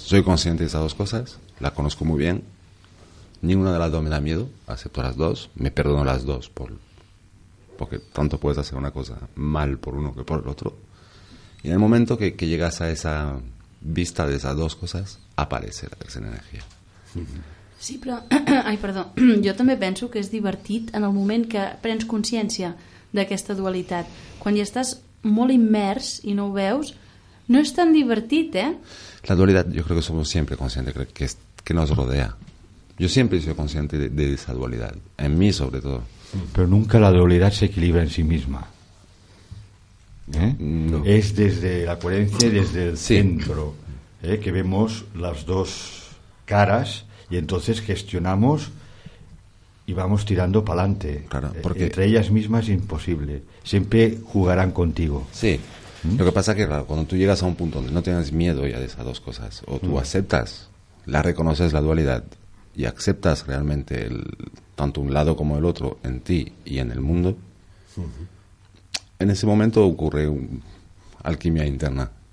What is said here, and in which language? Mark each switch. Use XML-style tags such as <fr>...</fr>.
<es>Soy consciente de esas dos cosas, las conozco muy bien. Ninguna de las dos me da miedo, acepto las dos. Me perdono las dos, porque tanto puedes hacer una cosa mal por uno que por el otro. Y en el momento que llegas a esa vista de esas dos cosas, aparece la tercera energía. Uh-huh.</es> <ca>Sí, però, ai, perdó, jo també penso que és divertit en el moment que prens consciència d'aquesta dualitat. Quan hi estàs molt immers i no ho veus, no és tan divertit, eh? La dualitat, jo crec que som sempre conscients, crec que,</ca> <es>nos rodea.</es> <ca>Jo sempre</ca> <es>soy consciente de esa dualitat, en mi sobretot.</es> <ca>Però</ca> <es>nunca</es> <ca>la dualitat s'equilibra</ca> <es>en sí misma.</es> <ca>No. És des de la coherència, des del centro,</ca> <es>que vemos</es> <ca>les dos cares.</ca> <es>Y entonces gestionamos y vamos tirando para adelante. Claro, porque entre ellas mismas es imposible. Siempre jugarán contigo. Sí. ¿Mm? Lo que pasa es que claro, cuando tú llegas a un punto donde no tienes miedo ya de esas dos cosas, o tú aceptas, la reconoces la dualidad y aceptas realmente tanto un lado como el otro en ti y en el mundo, en ese momento ocurre una alquimia interna.</es>